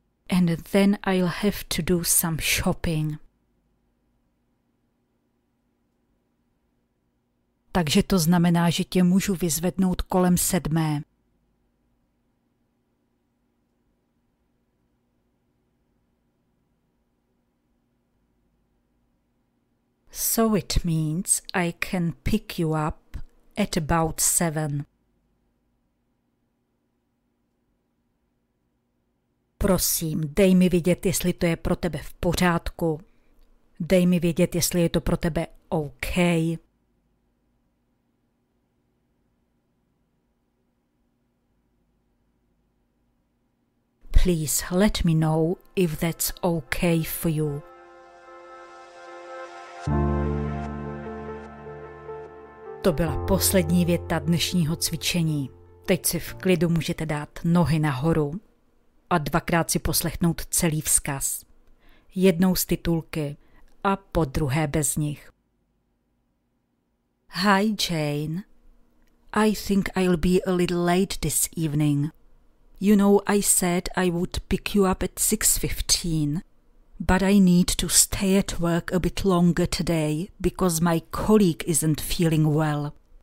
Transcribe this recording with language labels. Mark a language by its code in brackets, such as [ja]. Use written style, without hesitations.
[en] And then I'll have to do some shopping. [cs] Takže to znamená, že tě můžu vyzvednout kolem 7. [en] So it means I can pick you up at about 7. [cs] Prosím, dej mi vědět, jestli to je pro tebe v pořádku. Dej mi vědět, jestli je to pro tebe OK. [en] Please let me know if that's okay for you. [cs] To byla poslední věta dnešního cvičení. Teď si v klidu můžete dát nohy nahoru a dvakrát si poslechnout celý vzkaz. Jednou z titulky a po druhé bez nich. [en] Hi Jane, I think I'll be a little late this evening. You know, I said I would pick you up at 6:15, but I need to stay at work a bit longer today because my colleague isn't feeling well.